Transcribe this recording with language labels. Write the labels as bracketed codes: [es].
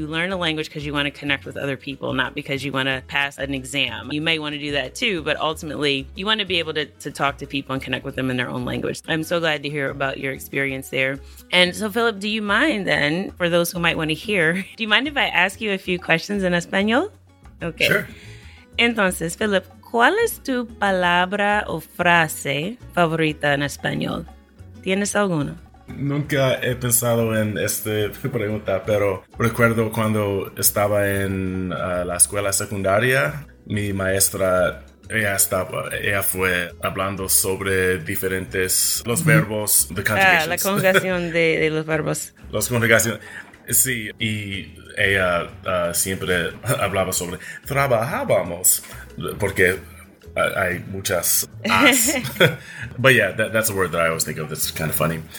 [en] You learn a language because you want to connect with other people, not because you want to pass an exam. You may want to do that too, but ultimately you want to be able to talk to people and connect with them in their own language. I'm so glad to hear about your experience there. And so Phillip, do you mind then, for those who might want to hear, do you mind if I ask you a few questions in Espanol? Okay. Sure. [es] Entonces, Phillip, ¿cuál es tu palabra o frase favorita en Espanol? ¿Tienes alguna? Nunca he pensado en esta pregunta, pero recuerdo cuando estaba en la escuela secundaria, mi maestra, ella fue hablando sobre diferentes, los verbos, [en] the conjugations. [es] La conjugación de los verbos. Los conjugaciones. Sí, y ella siempre hablaba sobre trabajábamos, porque hay muchas as. [en] But yeah, that's a word that I always think of that's kind of funny.